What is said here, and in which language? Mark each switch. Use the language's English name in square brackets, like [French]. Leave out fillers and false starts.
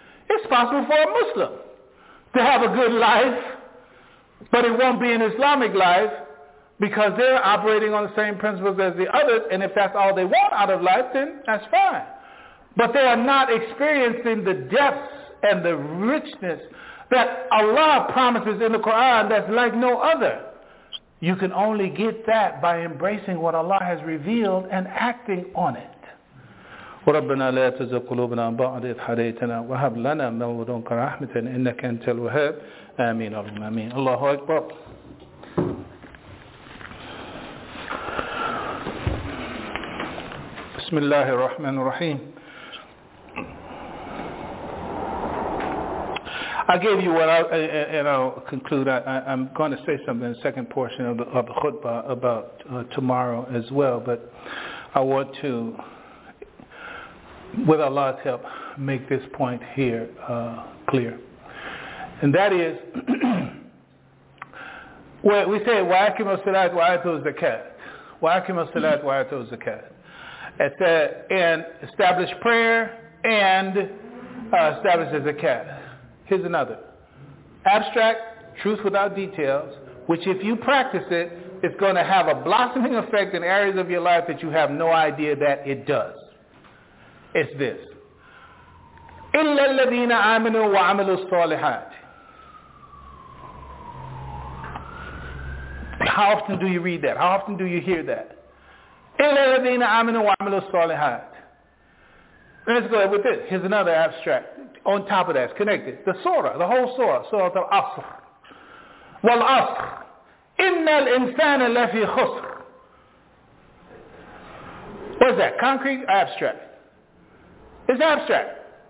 [English] It's possible for a Muslim to have a good life, but it won't be an Islamic life because they're operating on the same principles as the others, and if that's all they want out of life, then that's fine. But they are not experiencing the depths and the richness that Allah promises in the Quran that's like no other. You can only get that by embracing what Allah has revealed and acting on it. [Arabic] وربنا لا تزغ قلوبنا بعد إذ هديتنا وهب لنا من لدنك رحمة إنك أنت الوهاب آمين اللهم آمين الله أكبر بسم الله الرحمن الرحيم [English] I gave you what I'll conclude, I'm going to say something in the second portion of the khutbah about tomorrow as well, but I want to, with Allah's help, make this point here clear. And that is We say [Arabic] waakim as-salat wa atu zakat. Waakim as-salat wa atu zakat. [English] And establish prayer and establish a zakat. Here's another. Abstract, truth without details, which if you practice it, it's going to have a blossoming effect in areas of your life that you have no idea that it does. It's this. [Arabic] إِلَّا الَّذِينَ آمَنُوا وَعَمِلُوا الصَّالِحَاتِ. [English] How often do you read that? How often do you hear that? [Arabic] إِلَّا الَّذِينَ آمَنُوا وَعَمِلُوا الصَّالِحَاتِ. [English] Let's go with this. Here's another abstract. On top of that, it's connected. The surah, the whole surah, surah al-Asr. Wal-Asr. [Arabic] إِنَّ الْإِنسَانَ لَفِي خُسْرٍ. [English] What is that, concrete or abstract? It's abstract.